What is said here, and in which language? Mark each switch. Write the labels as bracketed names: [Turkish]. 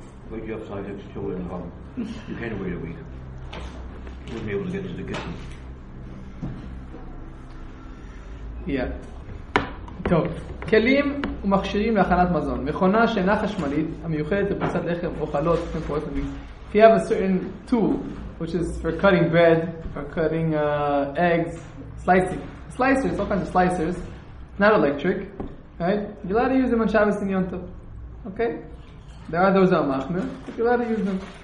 [English] But you have side hips, children, and home. You can't wait a week. You wouldn't be able to get to the kitchen. Yeah. [Hebrew] טוב. כלים ומכשירים להכנת מזון. מכונה שאינה חשמלית, המיוחדת לפריסת לחם או חלות, לפני פרוס המיק. [English] If you have a certain tool, which is for cutting bread, for cutting eggs, slicing. Slicers, all kinds of slicers. Not electric. Right? You're allowed to use them on Shabbos and Yom Tov. Okay? There are those on Machmir, but you're allowed to use them.